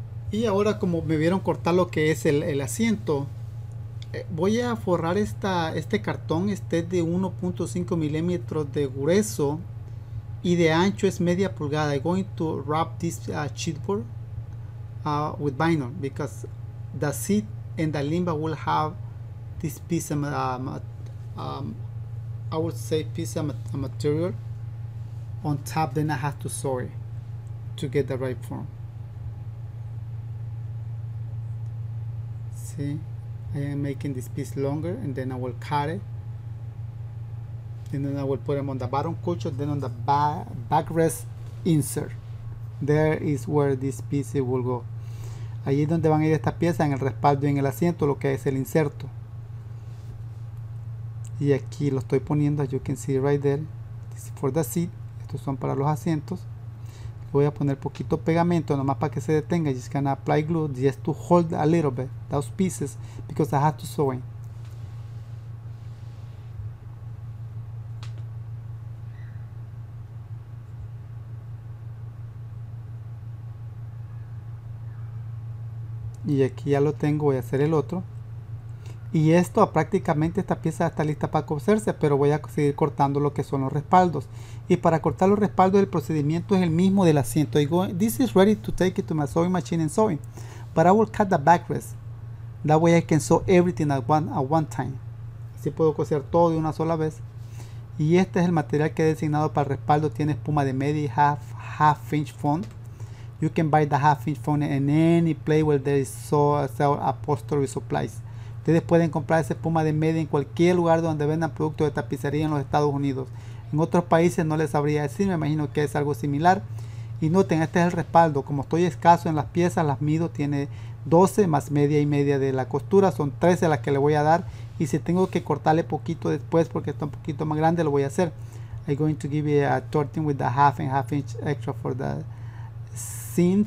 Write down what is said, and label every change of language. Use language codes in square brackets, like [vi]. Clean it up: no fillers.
[es] Y ahora, como me vieron cortar lo que es el asiento, voy a forrar este cartón. Este es de 1.5 milímetros de grueso y de ancho es media pulgada. [en] I'm going to wrap this chipboard with vinyl because the seat and the limba will have this piece of material on top. Then I have to sew it to get the right form. See, I am making this piece longer, and then I will cut it, and then I will put them on the bottom cushion, then on the backrest insert. There is where this piece will go. [es] Allí donde van a ir estas piezas, en el respaldo y en el asiento, lo que es el inserto. Y aquí lo estoy poniendo, [en] you can see right there, this is for the seat, [es] estos son para los asientos. Voy a poner poquito pegamento, nomás para que se detenga, [en] just gonna apply glue, just to hold a little bit, those pieces, because I have to sew in. [es] Y aquí ya lo tengo, voy a hacer el otro. Y esto, prácticamente esta pieza está lista para coserse, pero voy a seguir cortando lo que son los respaldos. Y para cortar los respaldos, el procedimiento es el mismo del asiento. [en] I go, this is ready to take it to my sewing machine and sewing. But I will cut the backrest. That way I can sew everything at one time. [es] Así puedo coser todo de una sola vez. Y este es el material que he designado para el respaldo. Tiene espuma de media y [en] half inch foam. You can buy the half inch foam in any place where there is sell upholstery supplies. [es] Ustedes pueden comprar esa espuma de media en cualquier lugar donde vendan productos de tapicería en los Estados Unidos. En otros países no les sabría decir, me imagino que es algo similar. Y noten, este es el respaldo. Como estoy escaso en las piezas, las mido, tiene 12 más media y media de la costura, son 13 las que le voy a dar. Y si tengo que cortarle poquito después porque está un poquito más grande, lo voy a hacer. [en] I'm going to give you a 13 with a half and half inch extra for the seam.